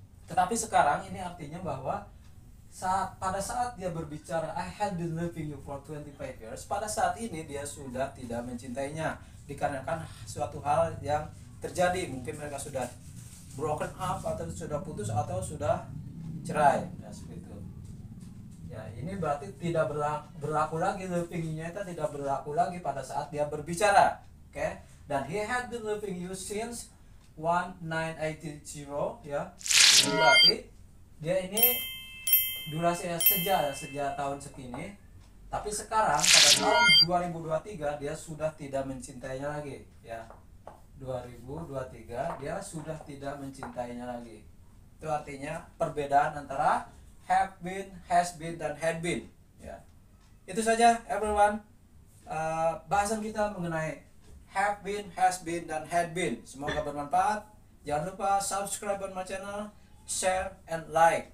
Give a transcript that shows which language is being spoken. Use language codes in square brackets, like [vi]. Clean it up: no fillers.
[id] Tetapi sekarang ini artinya bahwa saat, pada saat dia berbicara [en] I have been loving you for 25 years, [id] pada saat ini dia sudah tidak mencintainya dikarenakan suatu hal yang terjadi. Mungkin mereka sudah [en] broken up [id] atau sudah putus atau sudah cerai ya, seperti itu. Ya, ini berarti tidak berlaku lagi, loving-nya itu tidak berlaku lagi pada saat dia berbicara. Oke. Dan [en] he had been loving you since 1980 ya. [id] Berarti dia ini durasinya sejak tahun segini, tapi sekarang pada tahun 2023 dia sudah tidak mencintainya lagi ya. 2023 dia sudah tidak mencintainya lagi. Itu artinya perbedaan antara have been, has been dan had been ya. Itu saja [en] everyone, [id] bahasan kita mengenai have been, has been dan had been. Semoga bermanfaat. Jangan lupa [en] subscribe on my channel, share and like.